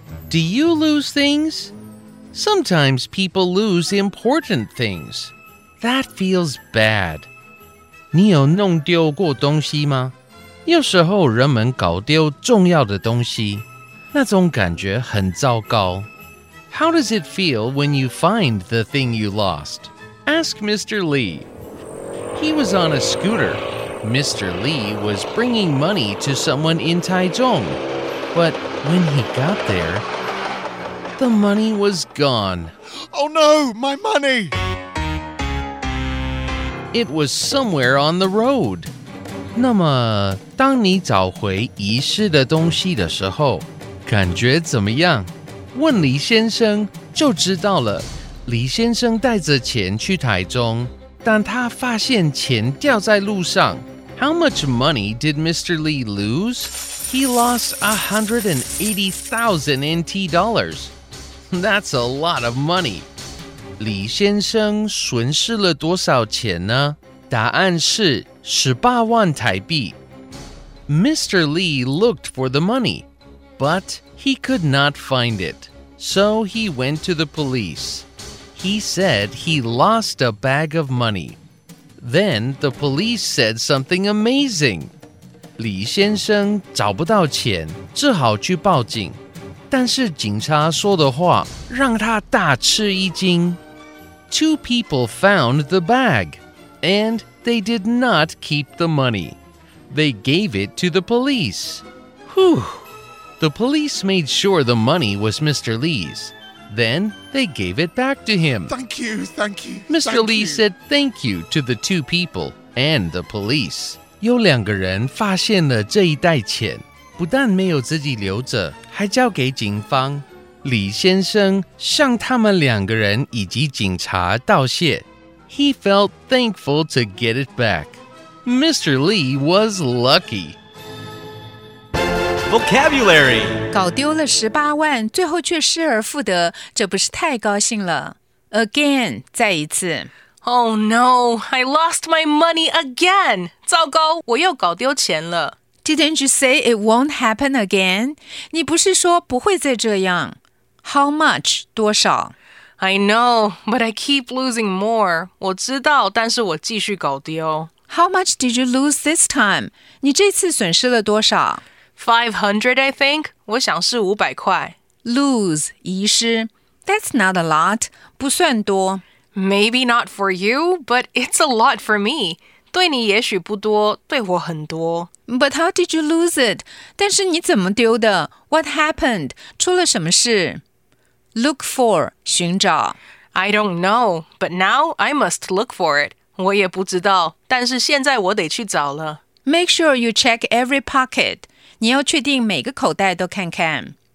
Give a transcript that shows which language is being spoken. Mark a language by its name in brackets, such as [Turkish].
[English] Do you lose things? Sometimes people lose important things. That feels bad. [Chinese] 你有弄丢过东西吗？有时候人们搞丢重要的东西，那种感觉很糟糕。 [English] How does it feel when you find the thing you lost? Ask Mr. Lee. He was on a scooter. Mr. Lee was bringing money to someone in Taichung. But when he got there... The money was gone. Oh no, my money! It was somewhere on the road. [Chinese] 那么，当你找回遗失的东西的时候，感觉怎么样？问李先生就知道了。李先生带着钱去台中，但他发现钱掉在路上。 [English] How much money did Mr. Lee lose? He lost NT$180,000. That's a lot of money. [Chinese] 李先生损失了多少钱呢？答案是180,000台币。Mr. [English] Lee looked for the money, but he could not find it. So he went to the police. He said he lost a bag of money. Then the police said something amazing. [Chinese] 李先生找不到钱，只好去报警。但是警察说的话让他大吃一惊。 [English] Two people found the bag, and they did not keep the money. They gave it to the police. Whew! The police made sure the money was Mr. Lee's. Then they gave it back to him. Thank you, thank you. Mr. Lee said thank you to the two people and the police. [Chinese] 有两个人发现了这一袋钱。不但没有自己留着，还交给警方。李先生向他们两个人以及警察道谢。 [English] He felt thankful to get it back. Mr. Lee was lucky. Vocabulary. [Chinese] 搞丢了180,000，最后却失而复得，这不是太高兴了。 [English] Again, [Chinese] 再一次。 [English] Oh no, I lost my money again. [Chinese] 糟糕，我又搞丢钱了。 [English] Didn't you say it won't happen again? [Chinese] 你不是说不会再这样。 [English] How much? [Chinese] 多少? [English] I know, but I keep losing more. [Chinese] 我知道,但是我继续搞丢。 [English] How much did you lose this time? [Chinese] 你这次损失了多少? 500, [English] I think. [Chinese] 我想是500块。 [English] Lose, [Chinese] 遗失。 [English] That's not a lot. [Chinese] 不算多。 [English] Maybe not for you, but it's a lot for me. [Chinese] 对你也许不多，对我很多。 [English] But how did you lose it? [Chinese] 但是你怎么丢的? [English] What happened? [Chinese] 出了什么事?Look for, 寻找。 [English] I don't know, but now I must look for it. [Chinese] 我也不知道,但是现在我得去找了。 [English] Make sure you check every pocket. [Chinese] 你要确定每个口袋都看看。